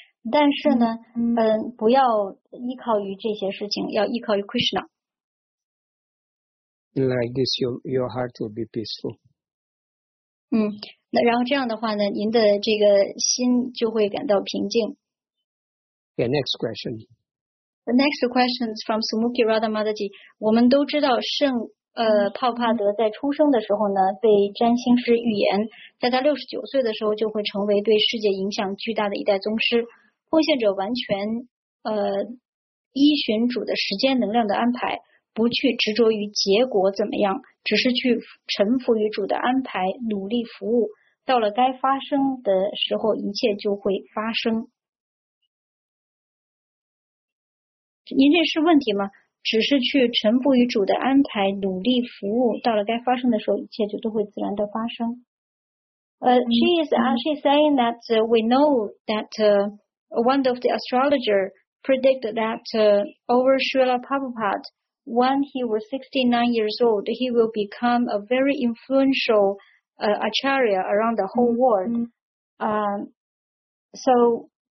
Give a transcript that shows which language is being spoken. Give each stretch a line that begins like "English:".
Chinese: 但是呢，不要依靠于这些事情，要依靠于 Krishna.
English: Like this, your heart will be peaceful.
Chinese: 那然后这样的话呢，您的这个心就会感到平静。
English: Okay, next question. The next question is from Sumukhi Radha Mataji.
Chinese: 我们都知道圣帕帕德在出生的时候呢被占星师预言在他69岁的时候就会成为对世界影响巨大的一代宗师。奉献者完全依循主的时间能量的安排不去执着于结果怎么样只是去臣服于主的安排努力服务到了该发生的时候一切就会发生。您这是问题吗？只是去臣服于主的安排，努力服务，到了该发生的时候，一切就都会自然的发生。
English: She is saying that we know that one of the astrologer predicted that over Srila Prabhupada, when he was 69 years old, he will become a very influential acharya around the whole world. So.